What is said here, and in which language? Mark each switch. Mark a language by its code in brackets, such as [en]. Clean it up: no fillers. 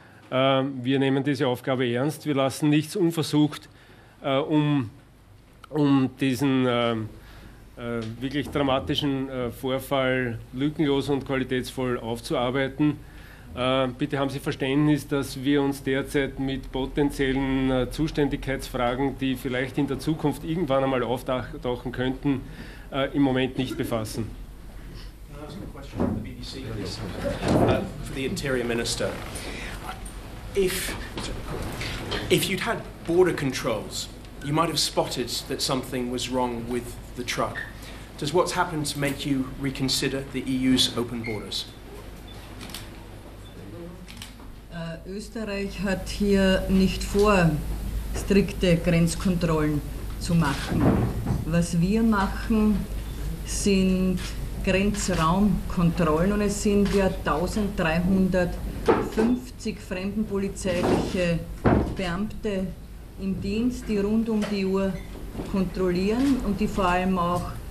[de] Wir nehmen diese Aufgabe ernst. Wir lassen nichts unversucht, um diesen wirklich dramatischen Vorfall lückenlos und qualitätsvoll aufzuarbeiten. Bitte haben Sie Verständnis, dass wir uns derzeit mit potenziellen Zuständigkeitsfragen, die vielleicht in der Zukunft irgendwann einmal auftauchen könnten, im Moment nicht befassen. [en] For the Interior Minister, if you'd had border controls, you might have spotted that something was wrong with the truck. Does what's happened make you reconsider the EU's open borders? [de] Österreich hat hier nicht vor, strikte Grenzkontrollen zu machen. Was wir machen, sind Grenzraumkontrollen und es sind ja 1350 fremdenpolizeiliche Beamte im Dienst, die rund um die Uhr kontrollieren und die vor allem auch